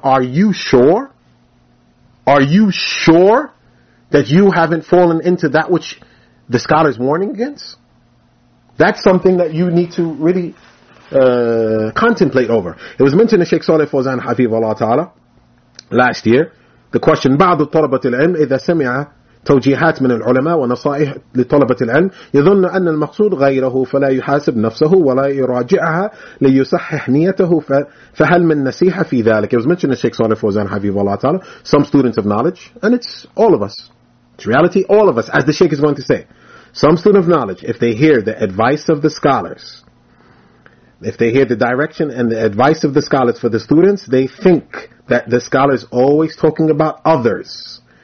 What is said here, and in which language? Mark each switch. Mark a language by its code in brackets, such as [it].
[en] Are you sure? Are you sure that you haven't fallen into that which the scholar is warning against? That's something that you need to really contemplate over. It was mentioned in Sheikh Saleh Fawzan Hafiz Allah Ta'ala last year. The question, [ar] بعض الطلبة العلم إذا سمع توجيهات من العلماء ونصائح لطلبة العلم يظن أن المقصود غيره فلا يحاسب نفسه ولا يراجعها ليصحح نيته فهل من نصيحة في ذلك. [en] It was mentioned in Sheikh Saleh Fawzan Hafiz Allah Ta'ala, some students of knowledge, and it's all of us. It's reality, all of us, as the Sheikh is going to say. Some student of knowledge, if they hear the advice of the scholars, if they hear the direction and the advice of the scholars for the students, they think that the scholar is always talking about others.